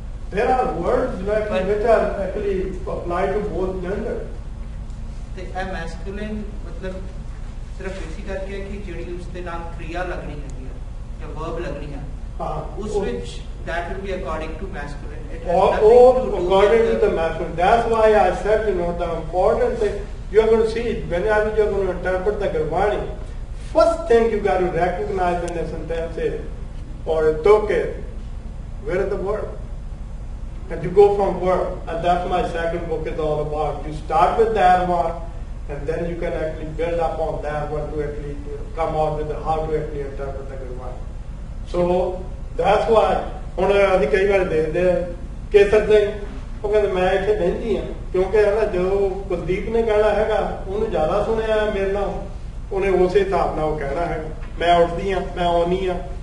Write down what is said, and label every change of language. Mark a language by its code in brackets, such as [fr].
[en] there are words like which are actually apply to both gender [pa] ਤੇ ਇਹ ਮੈਸਕੁਲਿਨ ਮਤਲਬ ਸਿਰਫ ਇਸੇ ਕਰਕੇ ਕਿ ਜਿਹੜੀ ਉਸ ਦੇ ਨਾਲ ਕ੍ਰਿਆ ਲੱਗਣੀ ਹੈਗੀ ਆ ਜਾਂ ਵਰਬ ਲੱਗਣੀ ਆ ਉਸ ਵਿੱਚ [en] That will be according to masculine. Or according to the masculine. That's why I said, you know, the important thing, you're going to see, whenever you're going to interpret the Gurbani, first thing you got to recognize in the sentence is, or toke, where is the verb? And you go from verb, and that's my second book is all about. You start with that one, and then you can actually build up on that one to actually come out with the, how to actually interpret the Gurbani. So, that's why, [pa] ਹੁਣ ਅਸੀਂ ਕਈ ਵਾਰ ਦੇਖਦੇ ਹਾਂ ਕੇਸਰ ਸਿੰਘ ਉਹ ਕਹਿੰਦੇ ਮੈਂ ਇੱਥੇ ਬਹਿੰਦੀ ਹਾਂ ਕਿਉਂਕਿ ਹਨਾ ਜਦੋਂ ਕੁਲਦੀਪ ਨੇ ਕਹਿਣਾ ਹੈਗਾ ਉਹਨੂੰ ਜ਼ਿਆਦਾ ਸੁਣਿਆ ਮੇਰੇ ਨਾਲ ਉਹਨੇ ਉਸੇ ਹਿਸਾਬ ਨਾਲ ਉਹ ਕਹਿਣਾ ਹੈਗਾ ਮੈਂ ਉੱਠਦੀ ਹਾਂ ਮੈਂ ਆਉਂਦੀ ਹਾਂ